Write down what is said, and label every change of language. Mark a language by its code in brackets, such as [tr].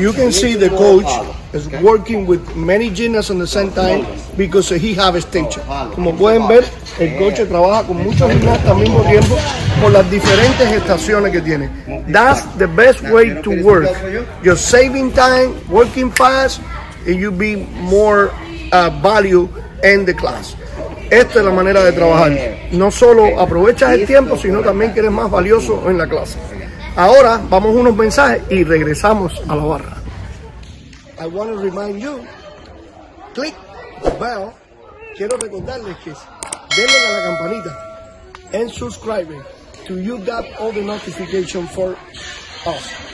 [en] You can see the coach is working with many gymnasts on the same time because he has a station. [es] Como pueden ver, el coach trabaja con muchos gimnastas al mismo tiempo por las diferentes estaciones que tiene. [en] That's the best way to work. You're saving time, working fast, and you'll be more value in the class. [es] Esta es la manera de trabajar. No solo aprovechas el tiempo, sino también que eres más valioso en la clase. Ahora vamos unos mensajes y regresamos a la barra. [en] I want to remind you, click bell. [es] Quiero recordarles que denle a la campanita [en] and subscribe to you got all the notification for us.